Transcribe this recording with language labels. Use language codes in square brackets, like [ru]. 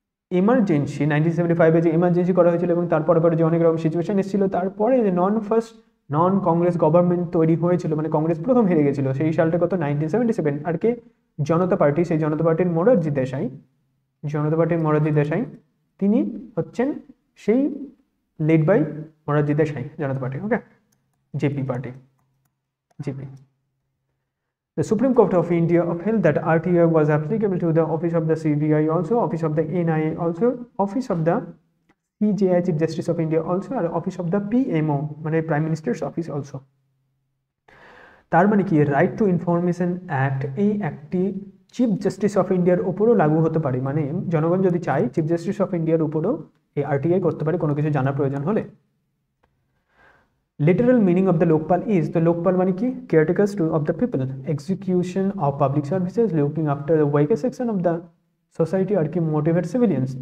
[bn] Emergency 1975-এ যে emergency করা হয়েছিল, এবং তারপরে পরে যে অনেক রকম সিচুয়েশন এসেছিলো, তারপরে যে নন ফার্স্ট নন কংগ্রেস গভর্নমেন্ট তৈরি হয়েছিল, মানে কংগ্রেস প্রথম হেরে গেছিলো সেই সালটা কত, 1977, আর কে, জনতা পার্টি, সেই জনতা পার্টির মোরারজি দেশাই, জনতা পার্টির মোরারজি দেশাই, তিনি হচ্ছেন সেই lead by Morarji Desai, Janata party, okay, JP party, JP. [en] The Supreme Court of India upheld that RTO was applicable to the office of the CBI also, office of the NIA also, office of the CJI Chief Justice of India also, and office of the PMO, মানে Prime Minister's office also. [bn] তার মানে কি, right two information act, এই অ্যাক্টটি chief justice of ইন্ডিয়ার উপরও লাগু হতে পারে, মানে জনগণ যদি চায় চিফ জাস্টিস অফ ইন্ডিয়ার উপরও এই আরটিআই করতে পারে কোনো কিছু জানার প্রয়োজন হলে। [en] literal meaning of the Lokpal is, [bn] the Lokpal মানে কি, [en] Caretakers to of the people, execution of public services, looking after the welfare section of the society, আর কি motivate civilians.